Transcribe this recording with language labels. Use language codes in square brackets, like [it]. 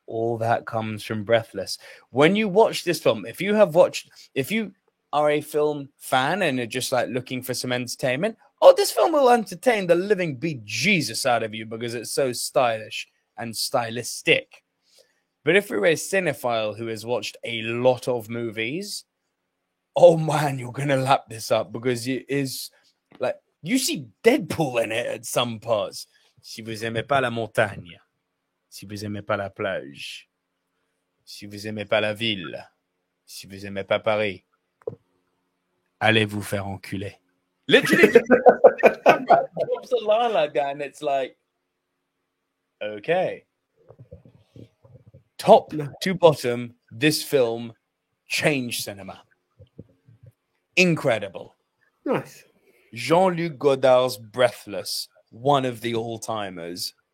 [en] All that comes from Breathless. When you watch this film, if you are a film fan and are just like looking for some entertainment, oh, this film will entertain the living bejesus out of you because it's so stylish and stylistic. But if you're a cinephile who has watched a lot of movies, oh man, you're going to lap this up because it is like, you see Deadpool in it at some parts. [fr] Si vous aimez pas la montagne, si vous aimez pas la plage, si vous aimez pas la ville, si vous aimez pas Paris, allez vous faire enculer. [en] Literally, drops a line like that, and it's like, okay. Top to bottom, this film changed cinema. Incredible. Nice. Jean-Luc Godard's Breathless, one of the all-timers.